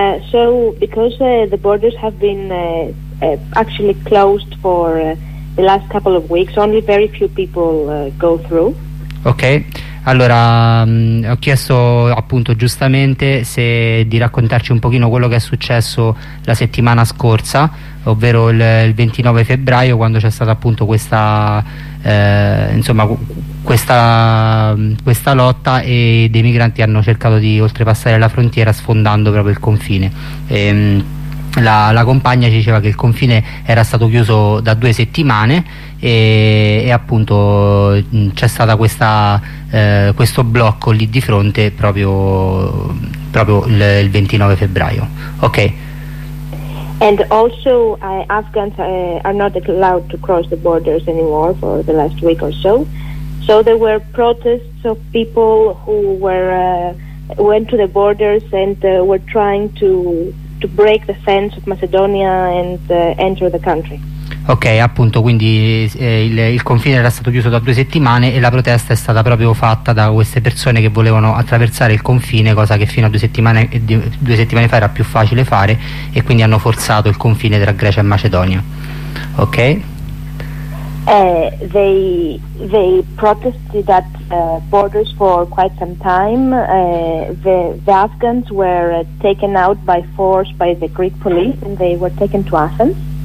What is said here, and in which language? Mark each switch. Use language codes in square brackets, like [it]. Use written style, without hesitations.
[en] So because the borders have been actually closed for the last couple of weeks, only very few people go through. Okay. [it] Allora, ho chiesto appunto giustamente se di raccontarci un pochino quello che è successo la settimana scorsa, ovvero il 29 febbraio, quando c'è stata appunto questa lotta e dei migranti hanno cercato di oltrepassare la frontiera sfondando proprio il confine. La compagna ci diceva che il confine era stato chiuso da 2 settimane e appunto c'è stata questo blocco lì di fronte proprio il 29 febbraio. Ok. [en] And also Afghans are not allowed to cross the borders anymore for the last week or so. So there were protests of people who went to the borders and were trying to break the fence of Macedonia and enter the country. [it] Ok, appunto, quindi il confine era stato chiuso da 2 settimane e la protesta è stata proprio fatta da queste persone che volevano attraversare il confine, cosa che fino a 2 settimane fa era più facile fare, e quindi hanno forzato il confine tra Grecia e Macedonia. Ok? [en] They protested at borders for quite some time. The Afghans were taken out by force by the Greek police and they were taken to Athens.